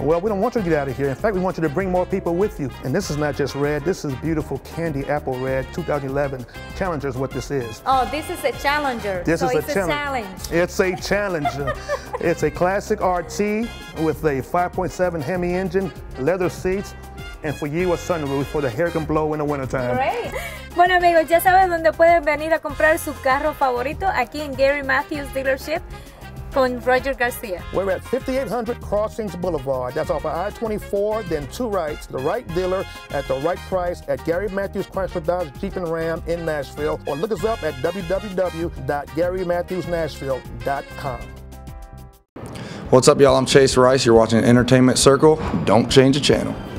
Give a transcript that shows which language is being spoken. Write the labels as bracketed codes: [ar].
[en] Well, we don't want you to get out of here. In fact, we want you to bring more people with you. And this is not just red, this is beautiful candy apple red 2011. Challenger is what this is. Oh, this is a Challenger. This is a challenge. It's a Challenger. It's a classic RT with a 5.7 Hemi engine, leather seats, and for you a sunroof for the hair can blow in the wintertime. Great. [es] Bueno amigos, ya saben dónde pueden venir a comprar su carro favorito aquí en Gary Matthews Dealership con Roger García. [en] We're at 5800 Crossings Boulevard. That's off of I-24, then two rights, the right dealer at the right price at Gary Matthews Chrysler Dodge Jeep and Ram in Nashville. Or look us up at www.garymatthewsnashville.com. What's up y'all, I'm Chase Rice. You're watching Entertainment Circle. Don't change the channel.